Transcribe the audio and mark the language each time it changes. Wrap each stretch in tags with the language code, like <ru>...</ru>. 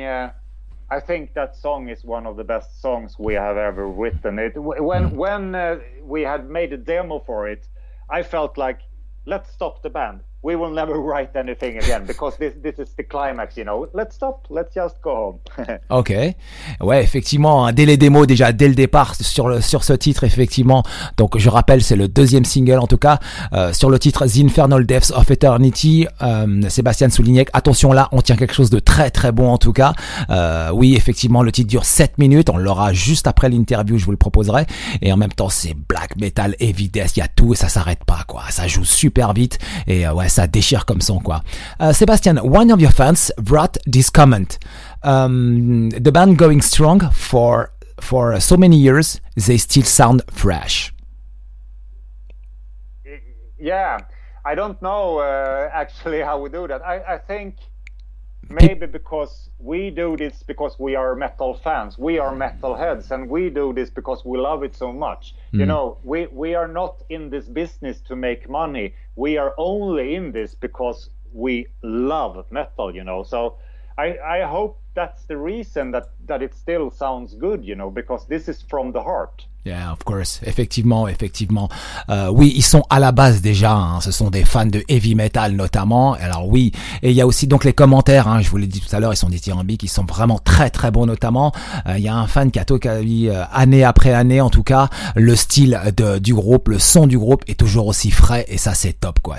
<en>I think that song is one of the best songs we have ever written. When we had made a demo for it, I felt like, let's stop the band. We will never write anything again because this is the climax, you know. Let's stop. Let's just go home. Ok.</en> <fr>Ouais, effectivement, dès les démos, déjà dès le départ sur ce titre, effectivement. Donc, je rappelle, c'est le deuxième single en tout cas. Sur le titre The Infernal Depths of Eternity, Sébastien soulignait, attention là, on tient quelque chose de très très bon en tout cas. Oui, effectivement, le titre dure 7 minutes. On l'aura juste après l'interview, je vous le proposerai. Et en même temps, c'est black metal, heavy death, il y a tout et ça s'arrête pas, quoi. Ça joue super vite et ouais, ça déchire comme son, quoi.</fr> <en>Sébastien, one of your fans wrote this comment. The band going strong for so many years, they still sound fresh. Yeah, I don't know actually how we do that. I think maybe because we do this because we are metal fans. We are metal heads and we do this because we love it so much. Mm. You know, we are not in this business to make money. We are only in this because we love metal, you know. So I hope that's the reason that it still sounds good, you know, because this is from the heart. Yeah, of course.</en> <fr>Effectivement. Oui, ils sont à la base déjà. Hein. Ce sont des fans de heavy metal notamment. Alors oui, et il y a aussi donc les commentaires. Hein. Je vous l'ai dit tout à l'heure, ils sont dithyrambiques. Ils sont vraiment très très bons notamment. Il y a un fan qui a tout dit, année après année en tout cas, le style du groupe, le son du groupe est toujours aussi frais et ça c'est top quoi.</fr>